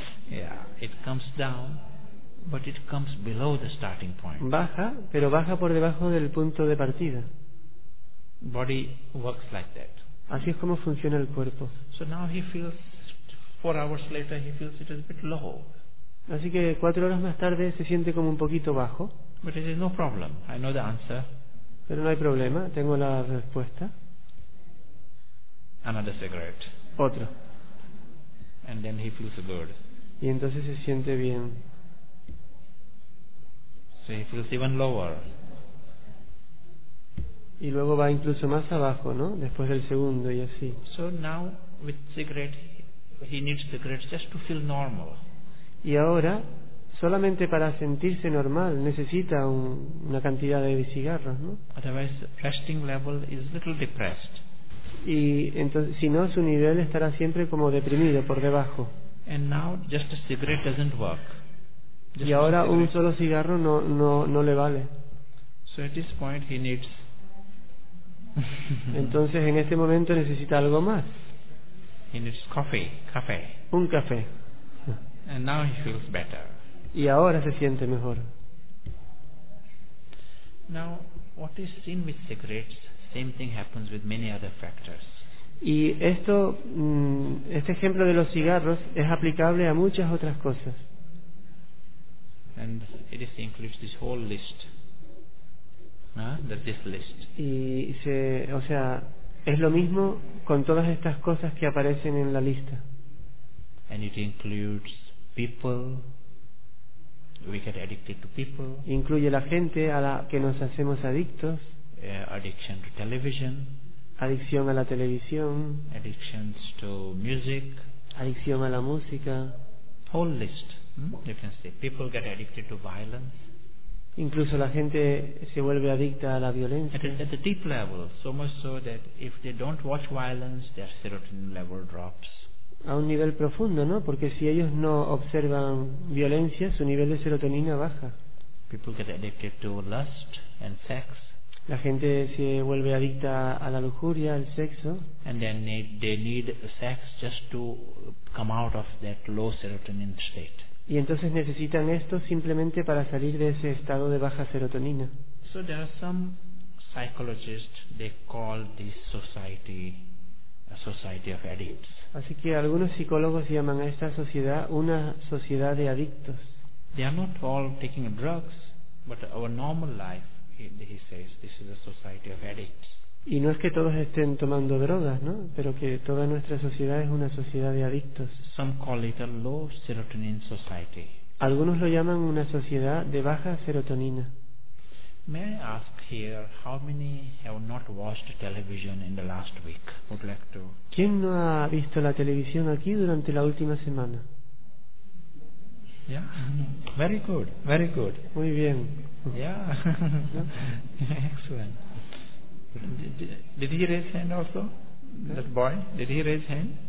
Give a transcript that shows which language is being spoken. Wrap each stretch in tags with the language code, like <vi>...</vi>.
<en>Yeah, it comes down, but it comes below the starting point.</en> <es>Baja, pero baja por debajo del punto de partida.</es> <en>Body works like that.</en> <es>Así es como funciona el cuerpo.</es> <en>So now he feels 4 hours later he feels it is a bit low.</en> <es>Así que 4 horas más tarde se siente como un poquito bajo.</es> <en>But it is no problem. I know the answer.</en> <es>Pero no hay problema. Tengo la respuesta.</es> <en>Another cigarette.</en> <es>Otro.</es> <en>And then he feels good.</en> <es>Y entonces se siente bien.</es> <en>So he feels even lower.</en> <es>Y luego va incluso más abajo, ¿no? Después del segundo y así.</es> <en>So now with cigarette, he needs cigarettes just to feel normal.</en> <es>Y ahora, solamente para sentirse normal, necesita una cantidad de cigarros, ¿no?</es> <en>Otherwise, resting level is little depressed.</en> <es>Y entonces, si no, su nivel estará siempre como deprimido por debajo.</es> <en>And now, just a cigarette doesn't work.</en> <es>Y ahora un solo cigarro no le vale.</es> <en>So at this point he needs.</en> <es>Entonces en este momento necesita algo más.</es> <en>He needs café.</en> <es>Un café.</es> <en>And now he feels better.</en> <es>Y ahora se siente mejor.</es> <en>Now, what is seen with cigarettes, same thing happens with many other factors.</en> <es>Y esto, este ejemplo de los cigarros es aplicable a muchas otras cosas.</es> <en>And it is includes this whole list. This list.</en> <es>Y se, o sea, es lo mismo con todas estas cosas que aparecen en la lista.</es> <en>And it includes people, we get addicted to people.</en> <es>Incluye la gente a la que nos hacemos adictos.</es> <en>Addiction to television.</en> <es>Adicción a la televisión.</es> <en>Addictions to music.</en> <es>Adicción a la música.</es> <en>Whole list. You can say people get addicted to violence.</en> <es>Incluso la gente se vuelve adicta a la violencia.</es> <en>At the deep level, so much so that if they don't watch violence, their serotonin level drops.</en> <es>A un nivel profundo, ¿no? Porque si ellos no observan violencia, su nivel de serotonina baja.</es> <en>People get addicted to lust and sex.</en> <es>La gente se vuelve adicta a la lujuria, al sexo.</es> <en>And then they need sex just to come out of that low serotonin state.</en> <es>Y entonces necesitan esto simplemente para salir de ese estado de baja serotonina.</es> <en>So there are some psychologists, they call this society a society of addicts.</en> <es>Así que algunos psicólogos llaman a esta sociedad una sociedad de adictos.</es> <en>They are not all taking drugs, but our normal life, he says, this is a society of addicts.</en> <es>Y no es que todos estén tomando drogas, ¿no? Pero que toda nuestra sociedad es una sociedad de adictos.</es> <en>Some call it a low serotonin society.</en> <es>Algunos lo llaman una sociedad de baja serotonina.</es> <en>May I ask here how many have not watched television in the last week? Would like to.</en> <es>¿Quién no ha visto la televisión aquí durante la última semana?</es> <en>Yeah. No. Very good.</en> <es>Muy bien.</es> <en>Yeah. Excellent. Did he raise hand also? Yeah. That boy? Did he raise hand?</en>